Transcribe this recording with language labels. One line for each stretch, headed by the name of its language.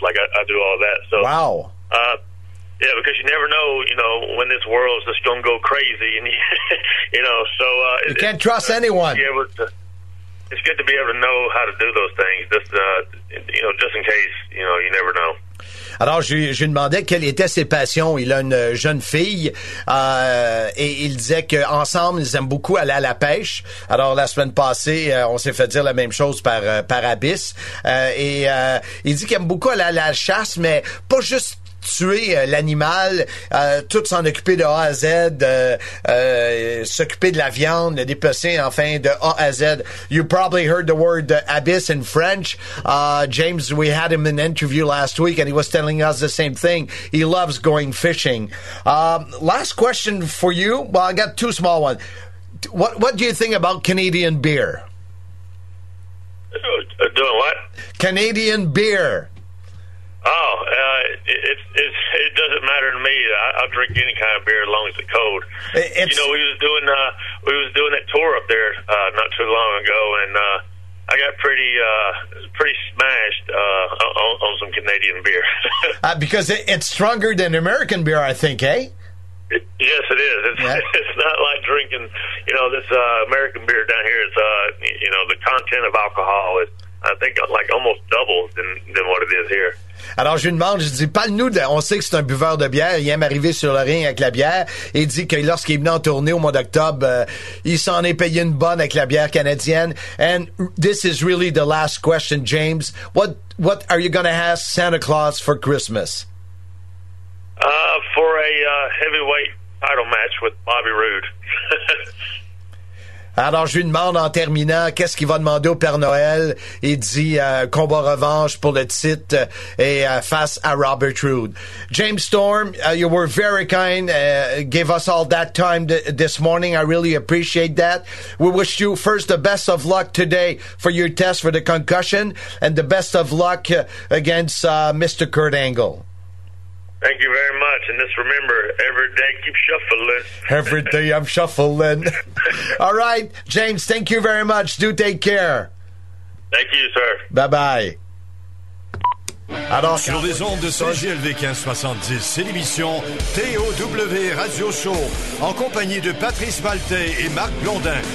English: Like I do all that. So wow. Yeah, because you never know, you know, when this world is just going to go crazy, and you know, so you can't trust anyone. It's good to be able to know how to do those things, just you know, just in case, you know, you never know.
French: Alors, je lui demandais quelles étaient ses passions. Il a une jeune fille et il disait qu'ensemble, ils aiment beaucoup aller à la pêche. Alors, la semaine passée, on s'est fait dire la même chose par Abyss. Il dit qu'il aime beaucoup aller à la chasse, mais pas juste tuer l'animal, tout s'en occuper de A à Z, s'occuper de la viande, le dépecer, enfin, de A à Z.
English: You probably heard the word abyss in French. James, we had him in an interview last week, and he was telling us the same thing. He loves going fishing. Last question for you. Well, I got two small ones. What do you think about Canadian beer? Doing what? Canadian beer. Oh, it doesn't matter to me. I'll drink any kind of beer as long as it's cold. You know, we was doing that tour up there not too long ago, and I got pretty smashed on some Canadian beer. Because it's stronger than American beer, I think, eh? Yes, it is. It's not like drinking, you know, this American beer down here. It's, you know, the content of alcohol is, I think, like almost double than what it is here.
French: Alors, je lui demande, je dis, parle-nous de. On sait que c'est un buveur de bière. Il aime arriver sur le ring avec la bière. Il dit que lorsqu'il est venu en tournée au mois d'octobre, il s'en est payé une bonne avec la bière canadienne.
English: And this is really the last question, James. What are you going to ask Santa Claus for Christmas? For a heavyweight title match with Bobby Roode.
French: Alors, je lui demande en terminant, qu'est-ce qu'il va demander au Père Noël? Il dit combat revanche pour le titre et face à Robert Roode.
English: James Storm, you were very kind. Gave us all that time this morning. I really appreciate that. We wish you first the best of luck today for your test for the concussion and the best of luck against Mr. Kurt Angle. Thank you very much. And just remember, every day keep shuffling. Every day I'm shuffling. All right, James, thank you very much. Do take care. Thank you, sir. Bye-bye.
French: Alors, sur les ondes de CJLV 1570, c'est l'émission TOW Radio Show, en compagnie de Patrice Valtay et Marc Blondin.